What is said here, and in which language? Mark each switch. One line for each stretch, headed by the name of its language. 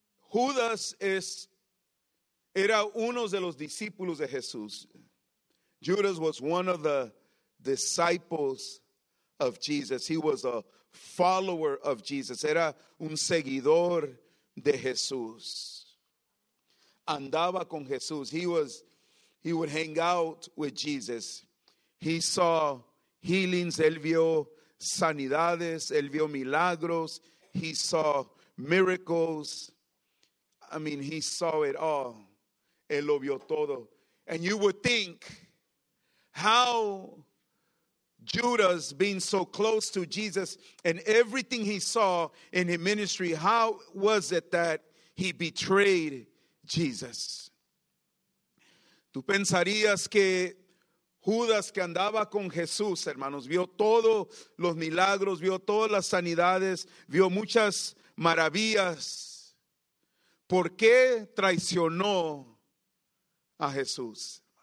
Spanish: Judas era uno de los discípulos de Jesús.
English: Judas was one of the disciples of Jesus. He was a follower of Jesus.
Spanish: Era un seguidor de Jesús. Andaba con Jesús.
English: He would hang out with Jesus. He saw healings.
Spanish: Él vio sanidades. Él vio milagros.
English: He saw miracles. I mean, he saw it all.
Spanish: Él lo vio todo.
English: And you would think, how Judas, being so close to Jesus and everything he saw in his ministry, how was it that he betrayed Jesus?
Spanish: Tú pensarías que Judas, que andaba con Jesús, hermanos, vio todos los milagros, vio todas las sanidades, vio muchas maravillas. ¿Por qué traicionó a Jesús?